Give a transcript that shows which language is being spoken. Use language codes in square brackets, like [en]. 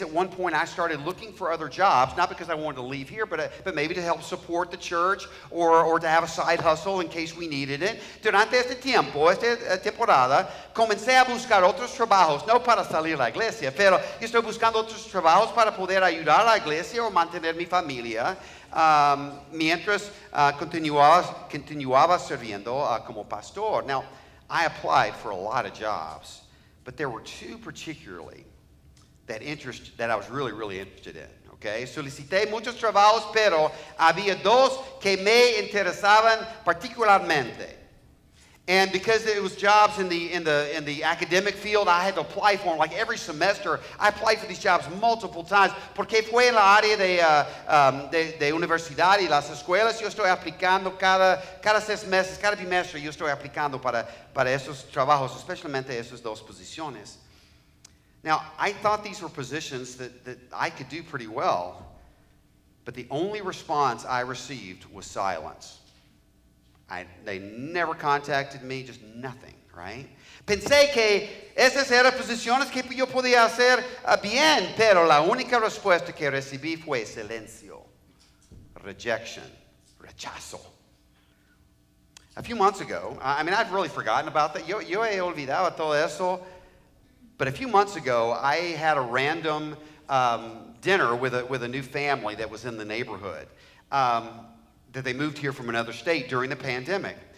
[en] At one point, I started looking for other jobs, not because I wanted to leave here, but maybe to help support the church or to have a side hustle in case we needed it. [es] Durante este tiempo, esta temporada, comencé a buscar otros trabajos, no para salir a la iglesia, pero estoy buscando otros trabajos para poder ayudar a la iglesia o mantener mi familia mientras continuaba sirviendo como pastor. [en] Now, I applied for a lot of jobs. But there were two particularly that I was really, really interested in, okay? [es] Solicité muchos trabajos, pero había dos que me interesaban particularmente. [en] And because it was jobs in the academic field, I had to apply for them. Like every semester, I applied for these jobs multiple times. [es] Porque fue en la área de universidad y las escuelas, yo estoy aplicando cada seis meses, cada bimestre, yo estoy aplicando para esos trabajos, especialmente esas dos posiciones. [en] Now, I thought these were positions that I could do pretty well, but the only response I received was silence. They never contacted me, just nothing, right? [es] Pensé que esas eran posiciones que yo podía hacer bien, pero la única respuesta que recibí fue silencio, rejection, rechazo. [en] A few months ago, I mean, I've really forgotten about that. [es] Yo he olvidado todo eso. [en] But a few months ago, I had a random dinner with a new family that was in the neighborhood. That they moved here from another state during the pandemic.